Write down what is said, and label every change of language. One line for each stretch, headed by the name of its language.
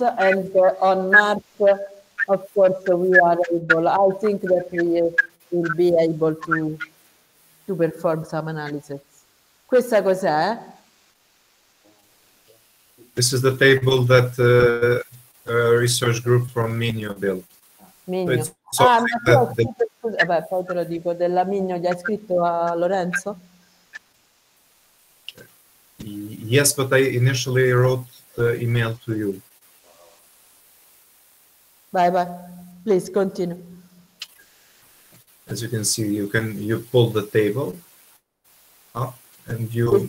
English: And on March, of course, we are able, I think that we will be able to perform some analysis.
Italian: Questa cos'è?
English: This is the table that a research group from Migno built. Migno.
Italian: Poi te lo dico, della Migno gli hai scritto a Lorenzo?
English: Yes, but I initially wrote the email to you. Bye bye. Please continue. As you can see, you pull the table up. And you